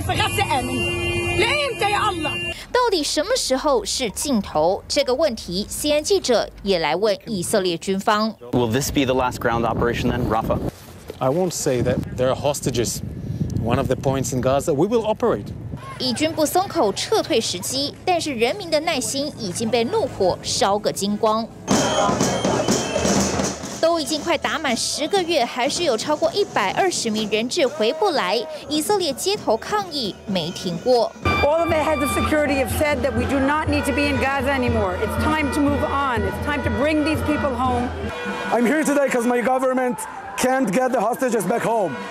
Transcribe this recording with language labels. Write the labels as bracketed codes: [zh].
[zh] 到底什么时候是尽头？这个问题 ，CNN 记者也来问以色列军方。 [en] Will this be the last ground operation then, Rafah? I won't say that there are hostages. One of the points in Gaza, we will operate. [zh] 以军不松口，撤退时机，但是人民的耐心已经被怒火烧个精光。都已经快打满10个月，还是有超过120名人质回不来。以色列街头抗议没停过。 [en] All of the heads of security have said that we do not need to be in Gaza anymore. It's time to move on. It's time to bring these people home. I'm here today because my government can't get the hostages back home.